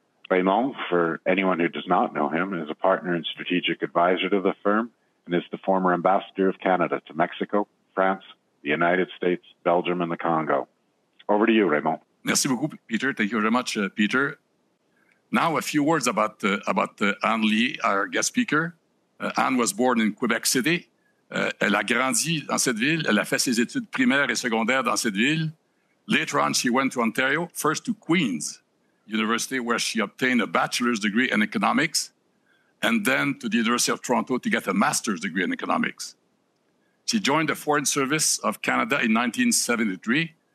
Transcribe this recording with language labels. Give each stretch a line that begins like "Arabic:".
English: Raymond, for anyone who does not know him, is a partner and strategic advisor to the firm and is the former ambassador of Canada to Mexico, France, the United States, Belgium, and the Congo. Over to you, Raymond.
French: Merci beaucoup,
English: Peter. Thank you very much, Peter. Now, a few words about Anne Leahy, our guest speaker. Anne was born in Quebec City.
French: Elle a grandi dans cette ville. Elle a fait ses études primaires et secondaires dans cette ville.
English: Later on, she went to Ontario, first to Queen's University, where she obtained a bachelor's degree in economics, and then to the University of Toronto to get a master's degree in economics. She joined the Foreign Service of Canada in 1973.